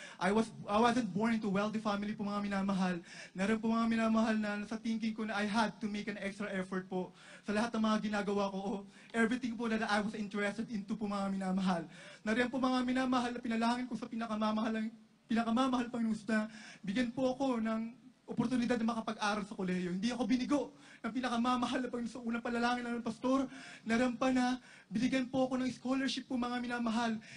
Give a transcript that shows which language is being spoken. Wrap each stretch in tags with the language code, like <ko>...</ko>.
<en>I wasn't born into a wealthy family</en> <tl>po mga minamahal. Naroon po mga minamahal na sa thinking ko na</tl> <en>I had to make an extra effort</en> <tl>po sa lahat ng mga ginagawa ko.</tl> <en>Everything po that I was interested into</en> <tl>po mga minamahal. Naroon po mga minamahal na pinalangin ko sa pinakamamahal Panginoon na bigyan po ako ng oportunidad na makapag-aral sa kolehiyo. Hindi ako binigo ng pinakamamahal na Panginoon sa unang palalangin ng pastor. Naroon pa na binigyan po ako ng scholarship po mga minamahal.</tl>